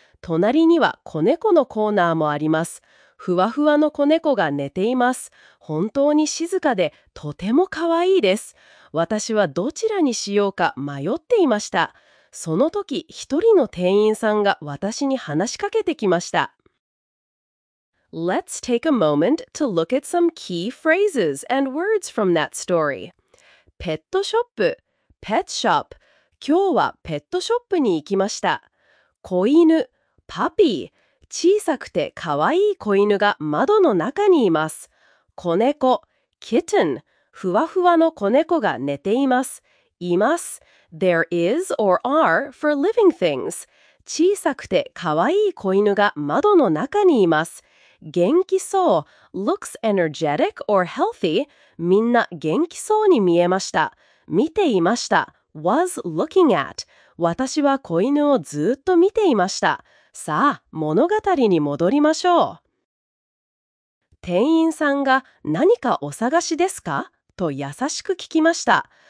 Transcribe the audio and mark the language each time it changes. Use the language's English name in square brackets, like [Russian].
[Japanese] 隣には子猫のコーナーもあります。ふわふわの子猫が寝ています。本当に静かでとても可愛いです。私はどちらにしようか迷っていました。その時、一人の店員さんが私に話しかけてきました。 [English] Let's take a moment to look at some key phrases and words from that story. [Japanese] ペットショップ、ペットショップ。今日はペットショップに行きました。子犬、パピー。小さくて可愛い子犬が窓の中にいます。子猫、kitten。ふわふわの子猫が寝ています。います。 [English] There is or are for living things. [Japanese] 小さくて可愛い子犬が窓の中にいます。元気そう。 [English] Looks energetic or healthy. [Japanese] みんな元気そうに見えました。見ていました。 [English] Was looking at. [Japanese] 私は子犬をずっと見ていました。さあ、物語に戻りましょう。店員さんが何かお探しですか？と優しく聞きました。